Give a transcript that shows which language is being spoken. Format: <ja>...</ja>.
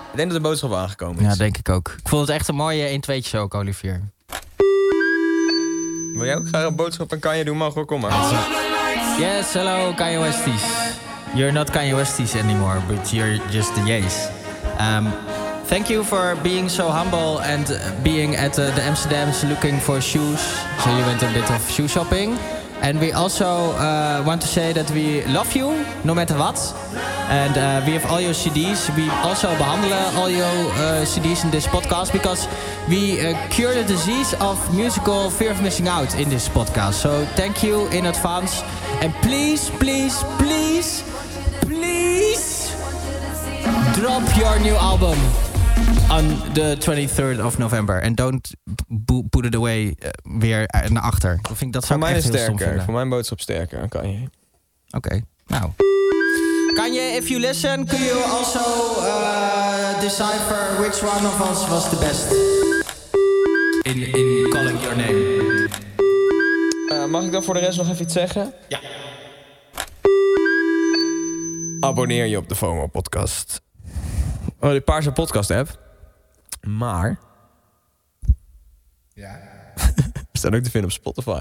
<nl>Ik denk dat de boodschap aangekomen is. Ja, denk ik ook. Ik vond het echt een mooie 1-2'tje ook, Olivier. Wil jij ook graag een boodschap aan Kanye doen? Mag wel, kom maar.</nl> <en>Yes, hello, Kanye Westies. You're not Kanye Westies anymore, but you're just the Yeez. Thank you for being so humble and being at the Amsterdam's looking for shoes. So you went a bit of shoe shopping. And we also want to say that we love you, no matter what. And we have all your CDs. We also</en> <nl>behandelen</nl> <en>all your CDs in this podcast. Because we cure the disease of musical fear of missing out in this podcast. So thank you in advance. And please, please, please, please drop your new album on the 23rd of November. And don't put it away</en> <nl>weer naar achter. Ik vind dat zou ik echt heel stom vinden. Voor mijn boodschap sterker, kan je. Oké. Okay. Nou.</nl> <en>Kanye, if you listen, can you also decipher which one of us was the best? In calling your name.</en> <nl>Mag ik dan voor de rest nog even iets zeggen? Ja. Abonneer je op de FOMO-podcast. Oh, de paarse podcast-app. Maar... Ja. We staan ook te vinden op Spotify.</nl>